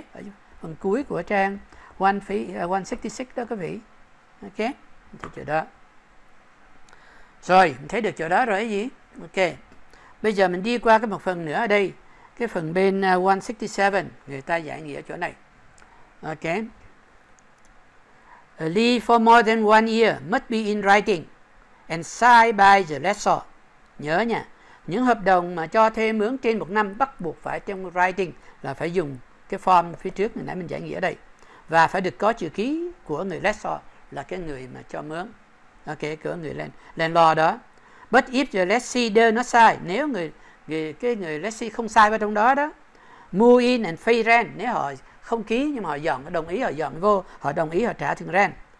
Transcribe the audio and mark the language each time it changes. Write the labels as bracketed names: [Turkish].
[Vietnamese] Ở phần cuối của trang 166 đó quý vị. Ok. Mình thấy chỗ đó. Rồi. Mình thấy được chỗ đó rồi cái gì? Ok. Bây giờ mình đi qua cái một phần nữa ở đây. Cái phần bên 167. Người ta giải nghĩa chỗ này. Ok. [English] A lease for more than 1 year must be in writing and signed by the lessor. [Vietnamese] Nhớ nha, những hợp đồng mà cho thuê mướn trên một năm bắt buộc phải trong writing, là phải dùng cái form phía trước mình nãy mình giải nghĩa đây, và phải được có chữ ký của người lessor, là cái người mà cho mướn. Ok, của người landlord đó. [English] But if the lessee does not sign, [Vietnamese] nếu người lessee không sign vào trong đó đó, [English] move in and pay rent, [Vietnamese] nếu họ không ký nhưng mà họ dọn, đồng ý họ dọn vô, họ đồng ý họ trả tiền rent.